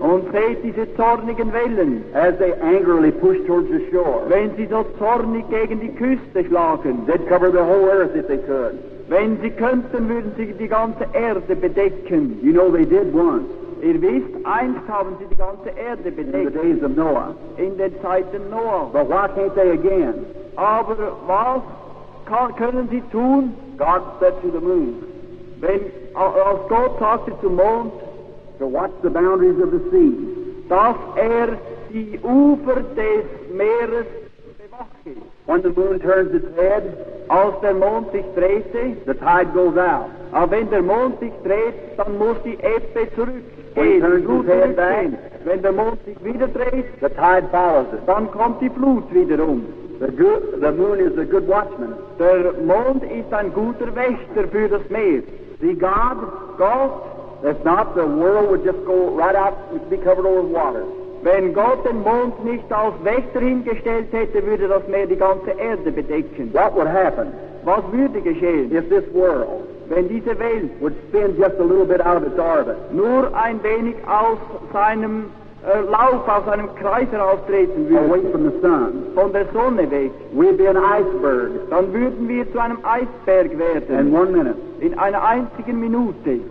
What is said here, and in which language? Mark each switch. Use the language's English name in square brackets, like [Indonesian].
[German] Und seht diese zornigen Wellen. [English] As they angrily push towards the shore. [German] Wenn sie so zornig gegen die Küste schlagen. [English] They'd cover the whole earth if they could. [German] Wenn sie könnten, würden sie die ganze Erde bedecken. [English] You know they did once. [German] Ihr wisst, einst haben sie die ganze Erde bedeckt. [English] In the days of Noah. [German] In den Zeiten Noah. [English] But why can't they again? [German] Aber was können sie tun? [English] God said to the moon. [German] Als Gott sagte zum Mond. [English] To watch the boundaries of the sea. [German] Dass die Ufer des Meeres. [English] When the moon turns its head, [German] als der Mond sich drehte, [English] the tide goes out. [German] Aber wenn der Mond sich dreht, dann muss die Ebbe zurückgehen. [English] When it turns its head back, [German] wenn der Mond sich wieder dreht, [English] the tide follows it. [German] Dann kommt die Flut wiederum. [English] The moon is a good watchman. [German] Der Mond ist ein guter Wächter für das Meer. [English] See God? [German] Gott? [English] If not, the world would just go right out and be covered over with water. [German] Wenn Gott den Mond nicht als Wächter hingestellt hätte, würde das Meer die ganze Erde bedecken. [English] What would happen? [German] Was würde geschehen? [English] If this world, [German] wenn diese Welt, [English] would spin just a little bit out of its orbit. [German] Nur ein wenig aus seinem Lauf, aus seinem Kreis heraustreten würde. [English] Away from the sun. [German] Von der Sonne weg. [English] We'd be an iceberg. [German] Dann würden wir zu einem Eisberg werden. [English] In 1 minute. [German] In einer einzigen Minute.